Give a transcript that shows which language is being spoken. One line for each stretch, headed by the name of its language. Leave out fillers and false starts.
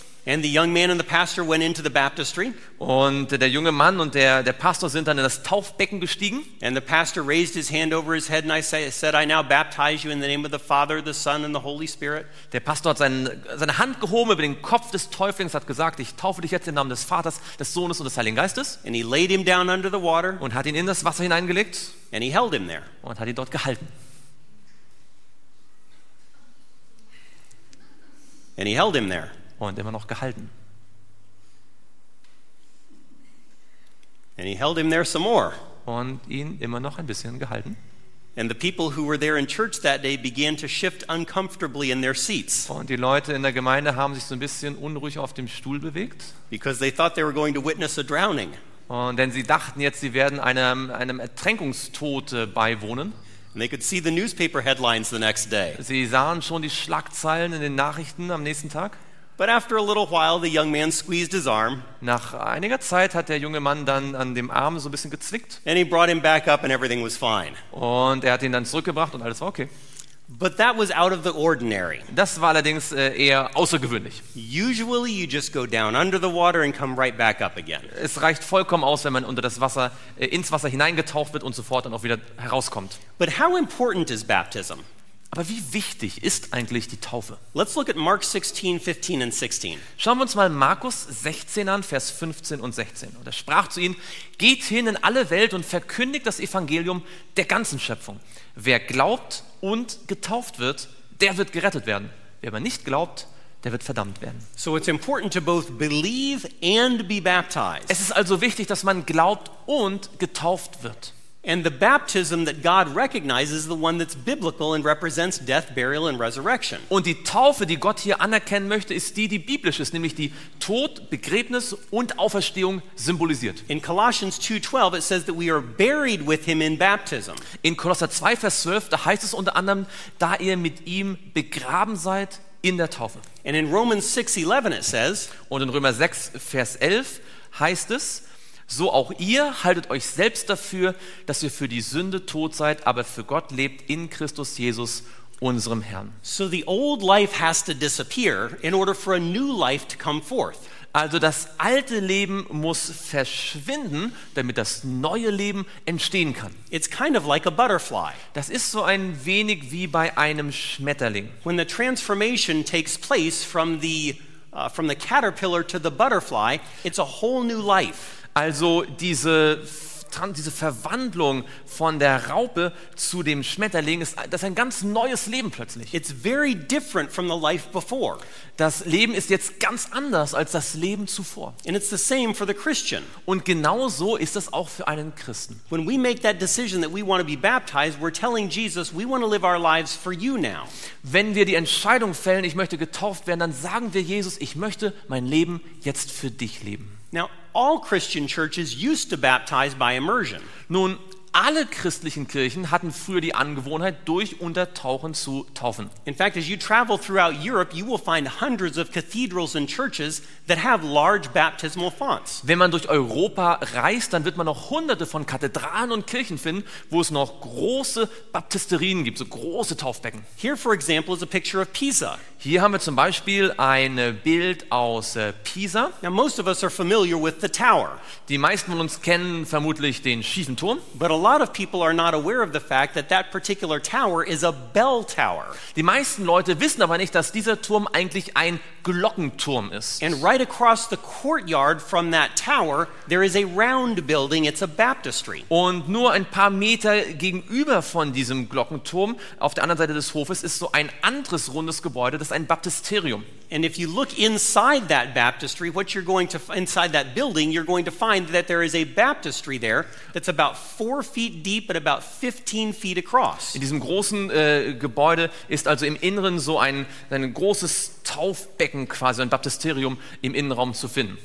English: And the young man and the pastor went into the baptistry.
German: Und der junge Mann und der Pastor sind dann in das Taufbecken gestiegen.
English: And the pastor raised his hand over his head and said, I now baptize you in the name of the Father, the Son and the Holy Spirit.
German: Der Pastor hat seine Hand gehoben über den Kopf des Täuflings, hat gesagt, ich taufe dich jetzt im Namen des Vaters, des Sohnes und des Heiligen Geistes.
English: And he laid him down under the water.
German: Und hat ihn in das Wasser hineingelegt.
English: And he held him there.
German: Und hat ihn dort gehalten.
English: And he held him there.
German: Und immer noch gehalten.
English: And he held him there some more.
German: Und ihn immer noch ein bisschen gehalten.
English: And the people who were there in church that day began to shift uncomfortably in their seats.
German: Und die Leute in der Gemeinde haben sich so ein bisschen unruhig auf dem Stuhl bewegt.
English: Because they thought they were going to witness a drowning.
German: Und denn sie dachten jetzt, sie werden einem Ertränkungstod beiwohnen.
English: And they could see the newspaper headlines the next day.
German: Sie sahen schon die Schlagzeilen in den Nachrichten am nächsten Tag.
English: But after a little while, the young man squeezed his arm.
German: Nach einiger Zeit hat der junge Mann dann an dem Arm so ein bisschen gezwickt.
English: And he brought him back up, and everything was fine.
German: Und er hat ihn dann zurückgebracht und alles war okay.
English: But that was out of the ordinary.
German: Das war allerdings eher außergewöhnlich.
English: Usually, you just go down under the water and come right back up again.
German: Es reicht vollkommen aus, wenn man unter das Wasser ins Wasser hineingetaucht wird und sofort dann auch wieder herauskommt.
English: But how important is baptism?
German: Aber wie wichtig ist eigentlich die Taufe?
English: Let's look at Mark 16, 15 and 16.
German: Schauen wir uns mal Markus 16 an, Vers 15 und 16. Und er sprach zu ihnen, geht hin in alle Welt und verkündigt das Evangelium der ganzen Schöpfung. Wer glaubt und getauft wird, der wird gerettet werden. Wer aber nicht glaubt, der wird verdammt werden.
English: So it's important to both believe and be baptized.
German: Es ist also wichtig, dass man glaubt und getauft wird.
English: And the baptism that God recognizes is the one that's biblical and represents death, burial and resurrection.
German: Und die Taufe, die Gott hier anerkennen möchte, ist die biblisch ist, nämlich die Tod, Begräbnis und Auferstehung symbolisiert.
English: In Colossians 2:12 it says that we are buried with him in baptism.
German: In Kolosser 2 Vers 12 da heißt es unter anderem, da ihr mit ihm begraben seid in der Taufe.
English: And in Romans 6:11 it says,
German: und in Römer 6 Vers 11 heißt es, so auch ihr haltet euch selbst dafür, dass ihr für die Sünde tot seid, aber für Gott lebt in Christus Jesus, unserem Herrn.
English: So the old life has to disappear in order for a new life to come forth.
German: Also das alte Leben muss verschwinden, damit das neue Leben entstehen kann.
English: It's kind of like a butterfly.
German: Das ist so ein wenig wie bei einem Schmetterling.
English: When the transformation takes place from the caterpillar to the butterfly, it's a whole new life.
German: Also diese Verwandlung von der Raupe zu dem Schmetterling ist ein ganz neues Leben plötzlich.
English: It's very different from the life before.
German: Das Leben ist jetzt ganz anders als das Leben zuvor.
English: And it's the same for the Christian.
German: Und genauso ist das auch für einen Christen.
English: When we make that decision that we want to be baptized, we're telling Jesus, we want to live our lives for you now.
German: Wenn wir die Entscheidung fällen, ich möchte getauft werden, dann sagen wir Jesus, ich möchte mein Leben jetzt für dich leben.
English: Now, all Christian churches used to baptize by immersion.
German: Nun, alle christlichen Kirchen hatten früher die Angewohnheit, durch Untertauchen zu taufen.
English: In fact, as you travel throughout Europe, you will find hundreds of cathedrals and churches that have large baptismal fonts.
German: Wenn man durch Europa reist, dann wird man noch hunderte von Kathedralen und Kirchen finden, wo es noch große Baptisterien gibt, so große Taufbecken.
English: Here, for example, is a picture of Pisa.
German: Hier haben wir zum Beispiel ein Bild aus Pisa.
English: Now, most of us are familiar with the tower.
German: Die meisten von uns kennen vermutlich den schiefen Turm.
English: But a lot of people are not aware of the fact that that particular tower is a bell tower.
German: Die meisten Leute wissen aber nicht, dass dieser Turm eigentlich ein Glockenturm ist.
English: And right across the courtyard from that tower, there is a round building. It's a baptistry.
German: Und nur ein paar Meter gegenüber von diesem Glockenturm, auf der anderen Seite des Hofes, ist so ein anderes rundes Gebäude. Das ist ein Baptisterium.
English: And if you look inside that baptistry, what you're going to inside that building, you're going to find that there is a baptistry there that's about 4 feet deep and about 15 feet across.
German: In diesem großen Gebäude ist also im Inneren so ein großes Taufbecken quasi, ein Baptisterium im Innenraum zu finden.